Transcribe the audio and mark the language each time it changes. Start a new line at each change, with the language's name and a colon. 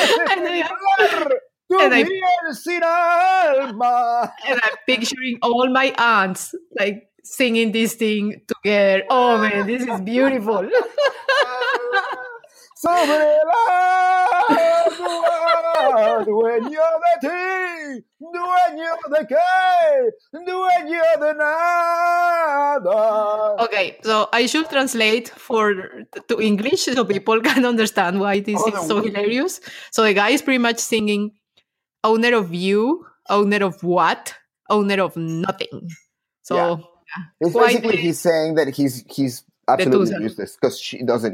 English: And I'm picturing all my aunts like singing this thing together. Oh man, this is beautiful.
Spanish: Sobre la dueño de ti, dueño de qué, dueño de nada.
English: Okay, so I should translate to English so people can understand why this is so hilarious. So the guy is pretty much singing, owner of you, owner of what, owner of nothing. So yeah. It's basically he's saying that he's absolutely useless because she doesn't.